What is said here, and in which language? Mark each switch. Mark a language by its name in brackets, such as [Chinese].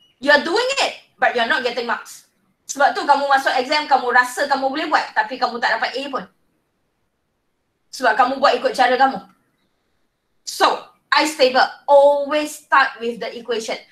[English] You are doing it, but you are not getting marks. [Malay] Sebab tu kamu masuk exam, kamu rasa kamu boleh buat, tapi kamu tak dapat A pun. Sebab kamu buat ikut cara kamu. [English] So, I stable, always start with the equation.